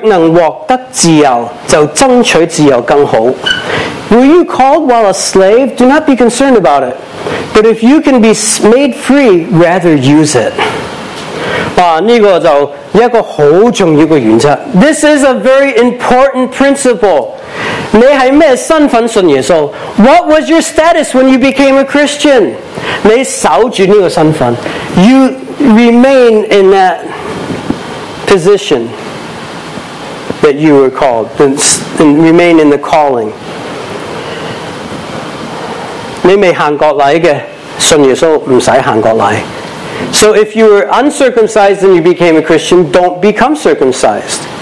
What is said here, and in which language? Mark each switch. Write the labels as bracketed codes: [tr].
[zh] 你是作奴隶的是蒙召的吗？不要介意，若能获得自由，就争取自由更好。 [en] Were you called while a slave? Do not be concerned about it. But if you can be made free, rather use it. [zh] 这个就是一个很重要的原则。 [en] This is a very important principle. [zh] 你是什么身份信耶稣？ [en] What was your status when you became a Christian? [zh] 你守住这个身份。 [en] You remain in that position that you were called, and remain in the calling. [zh] 你未行割礼的信耶稣，不用行割礼。 [en] So if you were uncircumcised and you became a Christian, don't become circumcised.